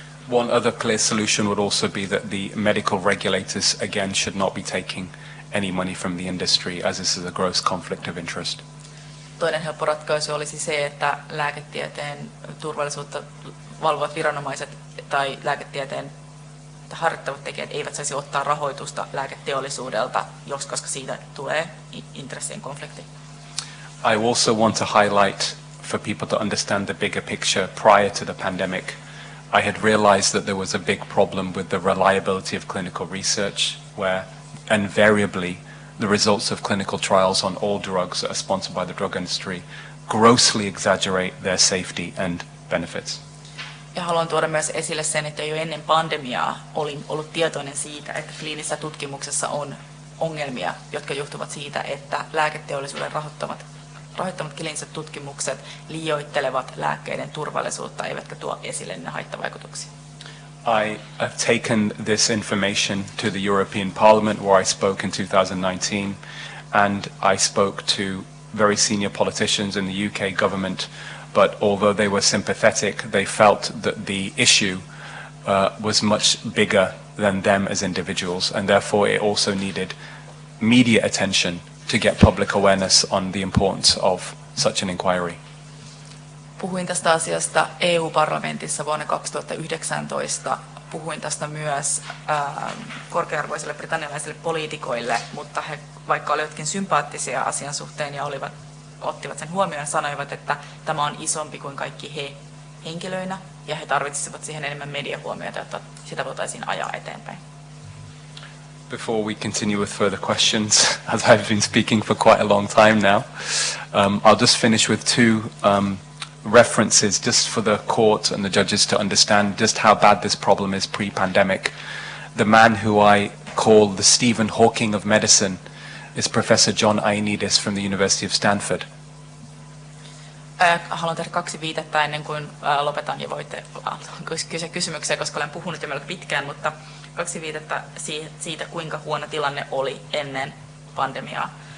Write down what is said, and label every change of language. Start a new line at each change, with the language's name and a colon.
English: One other clear solution would also be that the medical regulators again should not be taking any money from the industry, as this is a gross conflict of interest.
Finnish: Toinen helppo ratkaisu olisi se, että lääketieteen turvallisuutta valvovat viranomaiset tai lääketieteen harjoittavat tekijät eivät saisi ottaa rahoitusta lääketeollisuudelta, koska siitä tulee intressien konflikti.
English: I also want to highlight for people to understand the bigger picture prior to the pandemic. I had realized that there was a big problem with the reliability of clinical research, where invariably the results of clinical trials on all drugs that are sponsored by the drug industry grossly exaggerate their safety and benefits.
Finnish: Ja haluan tuoda myös esille sen, että jo ennen pandemiaa olin ollut tietoinen siitä, että kliinisessä tutkimuksessa on ongelmia, jotka johtuvat siitä, että lääketeollisuuden rahoittamat kliiniset tutkimukset liioittelevat lääkkeiden turvallisuutta, eivätkä tuo esille ne haittavaikutuksia.
English: I have taken this information to the European Parliament, where I spoke in 2019, and I spoke to very senior politicians in the UK government, but although they were sympathetic, they felt that the issue was much bigger than them as individuals, and therefore it also needed media attention to get public awareness on the importance of such an inquiry.
Finnish: Puhuin tästä asiasta EU-parlamentissa vuonna 2019. Puhuin tästä myös korkearvoisille britannialaisille poliitikoille, mutta he, vaikka olivatkin sympaattisia asian suhteen ja ottivat sen huomioon, sanoivat, että tämä on isompi kuin kaikki he henkilöinä, ja he tarvitsisivat siihen enemmän mediahuomiota, jotta sitä voitaisiin ajaa eteenpäin.
English: Before we continue with further questions, as I've been speaking for quite a long time now, I'll just finish with two references just for the court and the judges to understand just how bad this problem is pre-pandemic. The man who I call the Stephen Hawking of medicine is Professor John Ioannidis from the University of Stanford.
Finnish: Haluan tehdä kaksi viitettä ennen kuin lopetan ja voitte kysyä kysymyksiä, koska olen puhunut jo melko pitkään, mutta kaksi viitettä siitä, kuinka huono tilanne oli ennen pandemiaa.